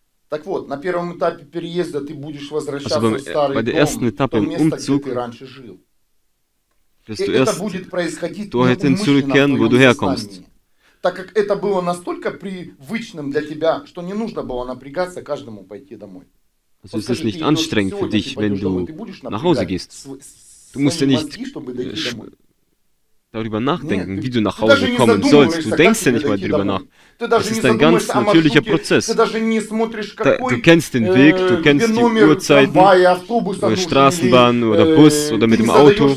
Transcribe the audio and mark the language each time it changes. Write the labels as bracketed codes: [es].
[de] Also bei der ersten Etappe im Umzug wirst du erst dorthin zurückkehren, wo du herkommst. [ru] Так как это было настолько привычным для тебя, что не нужно было напрягаться каждому пойти домой. [de] Also es ist nicht anstrengend für dich, wenn du nach Hause gehst. Du musst ja nicht darüber nachdenken, wie du nach Hause kommen sollst. Du denkst ja nicht mal darüber nach. Das ist ein ganz natürlicher Prozess. Du kennst den Weg, du kennst die Uhrzeiten, oder Straßenbahn oder Bus oder mit dem Auto.